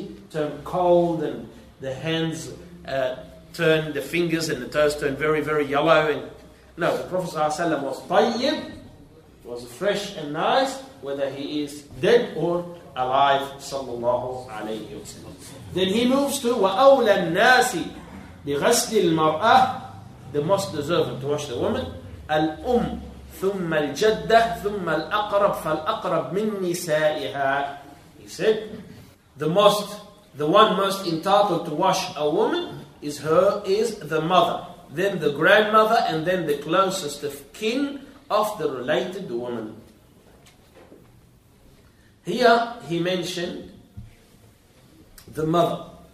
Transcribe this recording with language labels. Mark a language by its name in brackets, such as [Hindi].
[English] Turn cold, and the hands turn, the fingers and the toes turn very, very yellow. And no, the Prophet ﷺ was tayyib, was fresh and nice, whether he is dead or alive, sallallahu alayhi wa sallam. Then he moves to [Arabic] وَأَوْلَى النَّاسِ بِغَسْلِ الْمَرْأَةِ, [English] the most deserving to wash the woman, [Arabic] الْأُمْ ثُمَّ الْجَدَّةِ ثُمَّ الْأَقْرَبِ فَالْأَقْرَبِ مِنْ نِسَائِهَا. [English] He said, The one most entitled to wash a woman is the mother, then the grandmother, and then the closest of kin of the related woman. Here he mentioned the mother.